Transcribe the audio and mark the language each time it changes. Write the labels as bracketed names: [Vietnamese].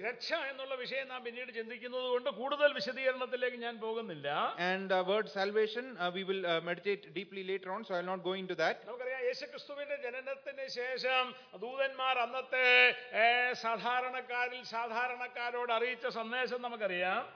[Malayalam] രക്ഷ എന്നുള്ള വിഷയം നാം പിന്നീട് ചിന്തിക്കുന്നതുകൊണ്ട് കൂടുതൽ വിശദീകരണത്തിലേക്ക് ഞാൻ പോകുന്നില്ല. [English] And the word salvation, we will meditate deeply later on, so I'll not go into that. [Malayalam] നമുക്കറിയാം യേശുക്രിസ്തുവിന്റെ ജനനത്തിന് ശേഷം ദൂതന്മാർ അന്നത്തെ സാധാരണക്കാരിൽ സാധാരണക്കാരോട് അറിയിച്ച സന്ദേശം നമുക്കറിയാം.